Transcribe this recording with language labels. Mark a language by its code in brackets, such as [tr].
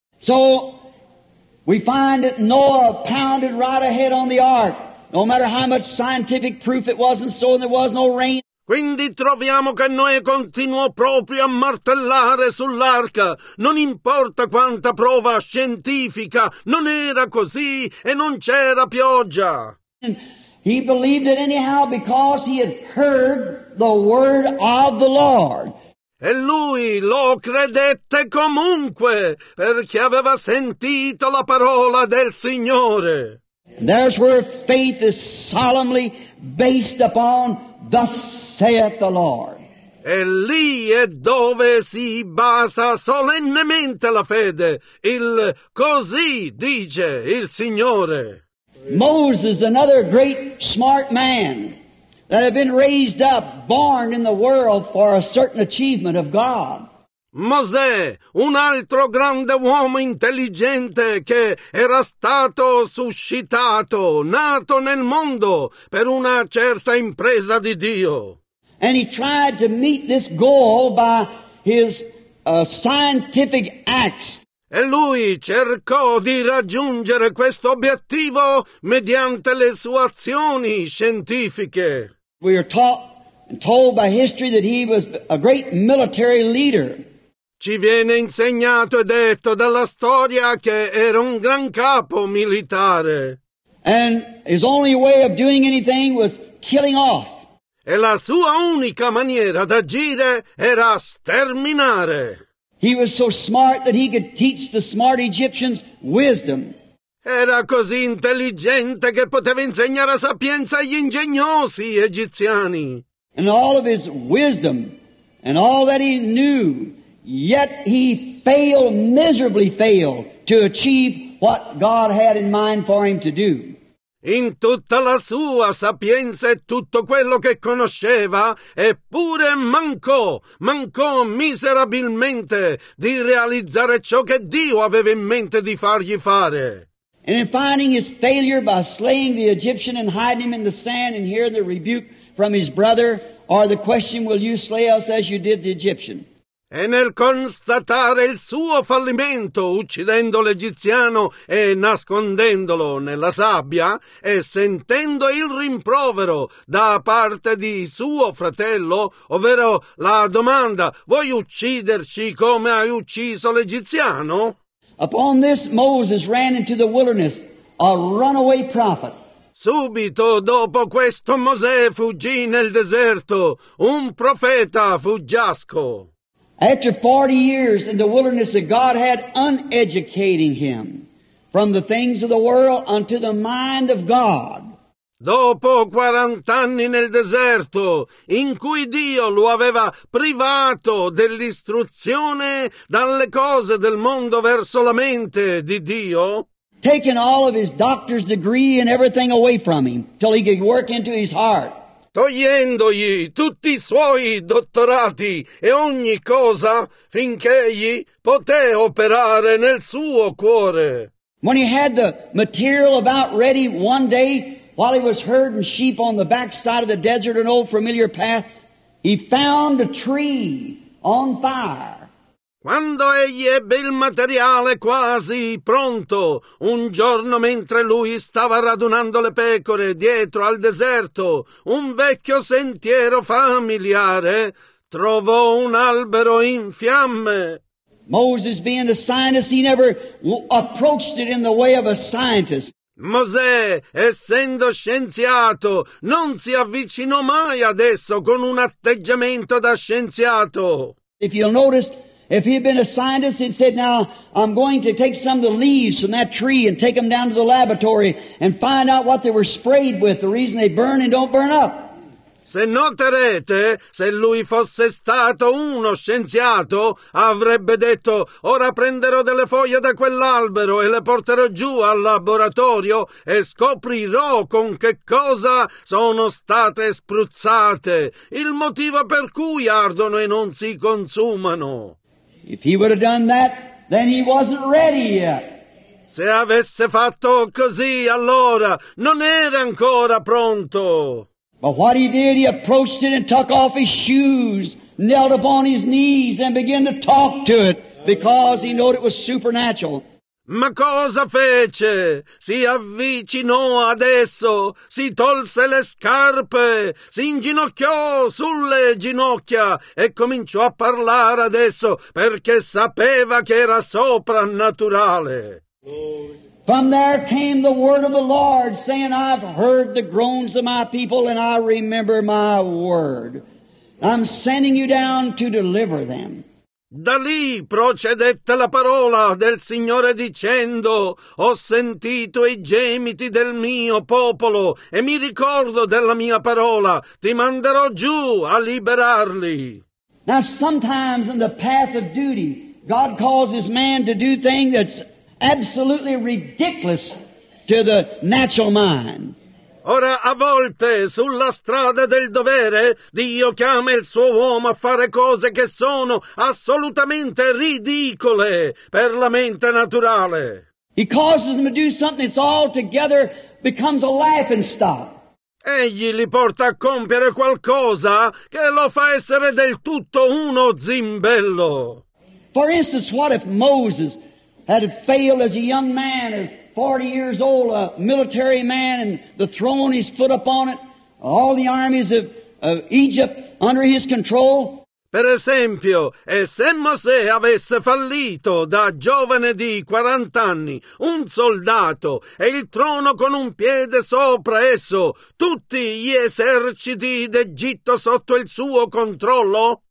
[en] So, we find that Noah pounded right ahead on the ark. No matter how much scientific proof it wasn't so and there was no rain. [it] Quindi troviamo che Noè continuò proprio a martellare sull'arca. Non importa quanta prova scientifica, non era così e non c'era pioggia. [en] And he believed it anyhow because he had heard the word of the Lord. [it] E lui lo credette comunque perché aveva sentito la parola del Signore. [en] There's where faith is solemnly based upon thus saith the Lord. [it] E lì è dove si basa solennemente la fede, il così dice il Signore. [en] Moses, another great smart man that had been raised up, born in the world for a certain achievement of God. [it] Mosè, un altro grande uomo intelligente che era stato suscitato, nato nel mondo per una certa impresa di Dio. [en] And he tried to meet this goal by his scientific acts. [it] E lui cercò di raggiungere questo obiettivo mediante le sue azioni scientifiche. [en] We are taught and told by history that he was a great military leader. [it] Ci viene insegnato e detto dalla storia che era un gran capo militare. [en] And his only way of doing anything was killing off. [it] E la sua unica maniera d'agire era sterminare. [en] He was so smart that he could teach the smart Egyptians wisdom. [it] Era così intelligente che poteva insegnare a sapienza agli ingegnosi egiziani. [en] And all of his wisdom and all that he knew, yet he failed, miserably failed, to achieve what God had in mind for him to do. [it] In tutta la sua sapienza e tutto quello che conosceva, eppure mancò miserabilmente di realizzare ciò che Dio aveva in mente di fargli fare. [en] And in finding his failure by slaying the Egyptian and hiding him in the sand and hearing the rebuke from his brother, or the question, will you slay us as you did the Egyptian? [it] E nel constatare il suo fallimento uccidendo l'egiziano e nascondendolo nella sabbia e sentendo il rimprovero da parte di suo fratello, ovvero la domanda, vuoi ucciderci come hai ucciso l'egiziano? [en] Upon this Moses ran into the wilderness, a runaway prophet. [it] Subito dopo questo Mosè fuggì nel deserto, un profeta fuggiasco. [en] After 40 years in the wilderness that God had uneducating him from the things of the world unto the mind of God. [it] Dopo 40 anni nel deserto, in cui Dio lo aveva privato dell'istruzione dalle cose del mondo verso la mente di Dio, [en] taking all of his doctor's degree and everything away from him till he could work into his heart. [it] Togliendogli tutti i suoi dottorati e ogni cosa finché egli poté operare nel suo cuore. [en] When he had the material about ready one day, while he was herding sheep on the backside of the desert, an old familiar path, he found a tree on fire. [it] Quando egli ebbe il materiale quasi pronto, un giorno mentre lui stava radunando le pecore dietro al deserto, un vecchio sentiero familiare trovò un albero in fiamme. [en] Moses, being a scientist, he never approached it in the way of a scientist. [it] Mosè, essendo scienziato, non si avvicinò mai ad esso con un atteggiamento da scienziato. [en] If you'll notice, if he had been a scientist, he'd said, now, I'm going to take some of the leaves from that tree and take them down to the laboratory and find out what they were sprayed with, the reason they burn and don't burn up. [it] Se noterete, se lui fosse stato uno scienziato, avrebbe detto, ora prenderò delle foglie da quell'albero e le porterò giù al laboratorio e scoprirò con che cosa sono state spruzzate, il motivo per cui ardono e non si consumano. [en] If he would have done that, then he wasn't ready yet. [it] Se avesse fatto così, allora non era ancora pronto. [en] But what he did, he approached it and took off his shoes, knelt upon his knees and began to talk to it because he knew it was supernatural. [it] Ma cosa fece? Si avvicinò ad esso, si tolse le scarpe, si inginocchiò sulle ginocchia e cominciò a parlare ad esso, perché sapeva che era soprannaturale. [en] From there came the word of the Lord, saying, I've heard the groans of my people and I remember my word. I'm sending you down to deliver them. [it] Da lì procedette la parola del Signore dicendo, ho sentito i gemiti del mio popolo e mi ricordo della mia parola, ti manderò giù a liberarli. [en] Now sometimes in the path of duty, God causes man to do things that's absolutely ridiculous to the natural mind. [it] Ora, a volte, sulla strada del dovere, Dio chiama il suo uomo a fare cose che sono assolutamente ridicole per la mente naturale. [en] He causes them to do something that's altogether becomes a laughing stock. [it] Egli li porta a compiere qualcosa che lo fa essere del tutto uno zimbello. [en] For instance, what if Moses had failed as a young man, as 40 years old, a military man, and the throne his foot upon it, all the armies of Egypt under his control? [it] Per esempio, e se Mosè avesse fallito da giovane di 40 anni, un soldato, e il trono con un piede sopra esso, tutti gli eserciti d'Egitto sotto il suo controllo?